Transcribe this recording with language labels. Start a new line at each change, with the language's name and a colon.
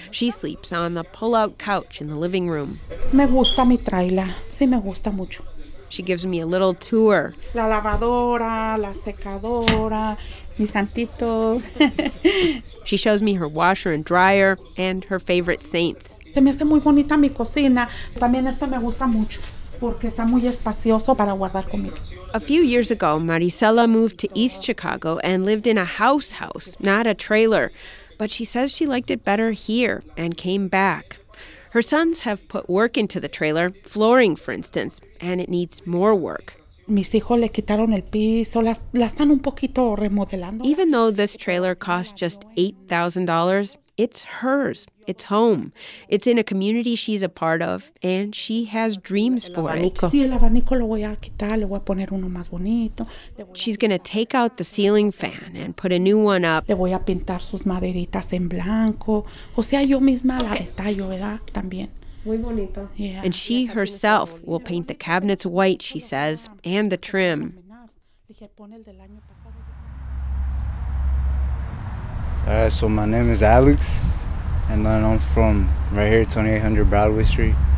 English: She sleeps on the pull-out couch in the living room.
Spanish: Me gusta mi trailer. Sí, me gusta mucho.
English: She gives me a little tour.
Spanish: La lavadora, la secadora, mis santitos.
English: She shows me her washer and dryer and her favorite saints.
Spanish: Se me hace muy bonita mi cocina. También este me gusta mucho porque está muy espacioso para guardar comida.
English: A few years ago, Maricela moved to East Chicago and lived in a house, not a trailer. But she says she liked it better here and came back. Her sons have put work into the trailer, flooring, for instance, and it needs more work.
Spanish: Mis hijos le quitaron el piso, la están un poquito remodelando.
English: Even though this trailer costs just $8,000, it's hers, it's home. It's in a community she's a part of, and she has dreams for it.
Spanish: Sí, el abanico lo voy a quitar, le voy a poner uno más bonito.
English: She's going to take out the ceiling fan and put a new one up.
Spanish: Le voy a pintar sus maderitas en blanco. O sea, yo misma la detallo, ¿verdad? También. Muy bonito.
English: Yeah. And she herself will paint the cabinets white, she says, and the trim. All right, so my name is Alex, and I'm from right here, 2800 Broadway Street.